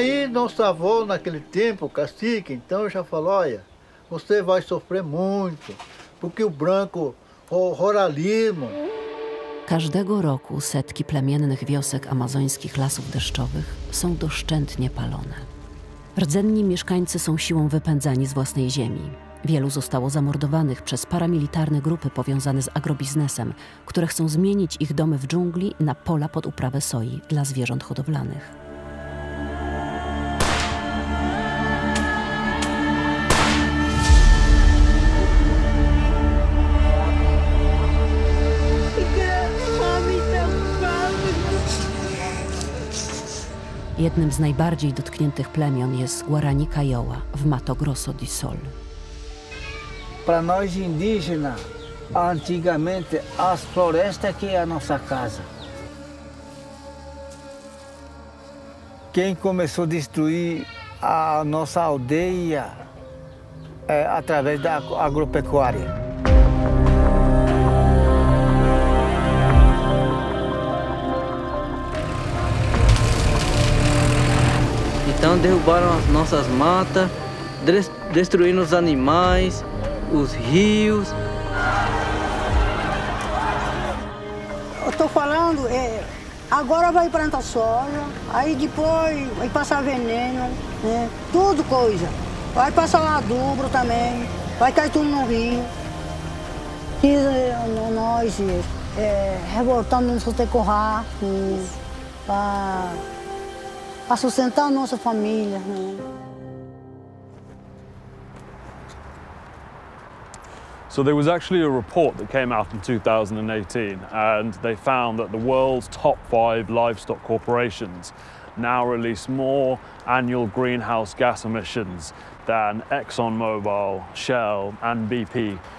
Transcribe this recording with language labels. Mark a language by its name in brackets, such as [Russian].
[Portuguese] Nosso avô, naquele tempo, o cacique, então já falou, olha, você vai sofrer muito, porque o branco horrorismo. [Polish] Każdego roku setki plemiennych wiosek amazońskich lasów deszczowych są doszczętnie palone. Rdzenni mieszkańcy są siłą wypędzani z własnej ziemi. Wielu zostało zamordowanych przez paramilitarne grupy powiązane z agrobiznesem, które chcą zmienić ich domy w dżungli na pola pod uprawę soi dla zwierząt hodowlanych. Jednym z najbardziej dotkniętych plemion jest Guarani Kiowa w Mato Grosso do Sul. [Portuguese] Para nós indígenas, antigamente as florestas que é a nossa casa. Quem começou a destruir a nossa aldeia é através da agropecuária. Então derrubaram as nossas matas, destruíram os animais, os rios. Eu estou falando, agora vai plantar soja, aí depois vai passar veneno, né? Tudo coisa. Vai passar adubo também, vai cair tudo no rio. E nós revoltando no Sotecorra, para sustentar a nossa família. [English] So there was actually a report that came out in 2018, and they found that the world's top five livestock corporations now release more annual greenhouse gas emissions than ExxonMobil, Shell, and BP.